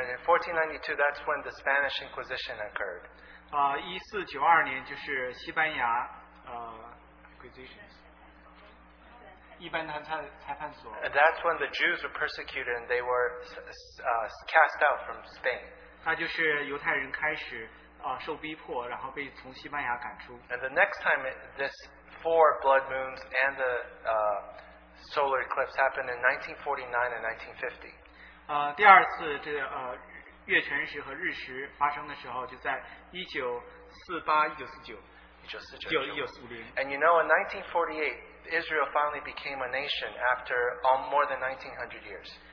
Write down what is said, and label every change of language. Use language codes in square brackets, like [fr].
[en] And in 1492, that's when the Spanish Inquisition occurred. [zh] 1492年就是西班牙Inquisition. [en] And that's when the Jews were persecuted and they were cast out from Spain. [zh] 那就是犹太人开始受逼迫，然后被从西班牙赶出。 [en] And the next time this four blood moons and the solar eclipse happened in 1949 and 1950. [zh] 第二次这月全食和日食发生的时候就在1948-1949 [en] And you know, in 1948, Israel finally became a nation after all, more than 1900 years.